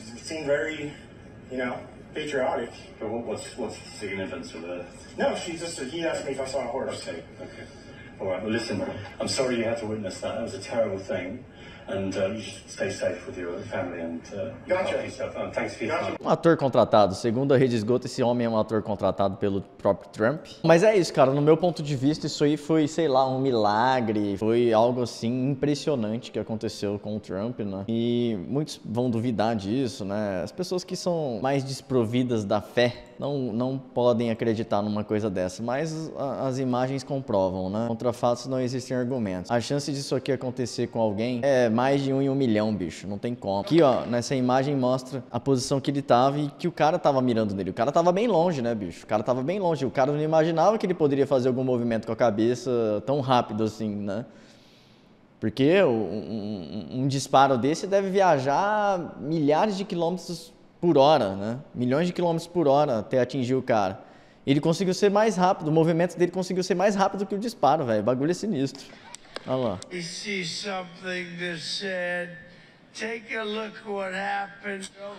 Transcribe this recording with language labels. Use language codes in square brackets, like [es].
[en] Seemed very, you know, patriotic. But what's the significance of her? No, he asked me if I saw a horse. Okay. All right, well, listen, I'm sorry you had to witness that. That was a terrible thing. And you should stay safe with your family and gotcha. Yourself. Thanks for your gotcha. Time. [pt] Um ator contratado. Segundo a rede esgoto, esse homem é um ator contratado pelo próprio Trump. Mas é isso, cara. No meu ponto de vista, isso aí foi, sei lá, um milagre. Foi algo, assim, impressionante que aconteceu com o Trump, né? E muitos vão duvidar disso, né? As pessoas que são mais desprovidas da fé não podem acreditar numa coisa dessa. Mas as imagens comprovam, né? Contra fatos não existem argumentos. A chance disso aqui acontecer com alguém é mais de 1 em 1 milhão, bicho. Não tem como. Aqui, ó, nessa imagem mostra a posição que ele tava e que o cara tava mirando nele. O cara tava bem longe, né, bicho? O cara tava bem longe. O cara não imaginava que ele poderia fazer algum movimento com a cabeça tão rápido assim, né? Porque um disparo desse deve viajar milhares de quilômetros por hora, né? Milhões de quilômetros por hora até atingir o cara. Ele conseguiu ser mais rápido. O movimento dele conseguiu ser mais rápido que o disparo, velho. Bagulho é sinistro. Olha lá. [en] He sees something that said, take a look what happened.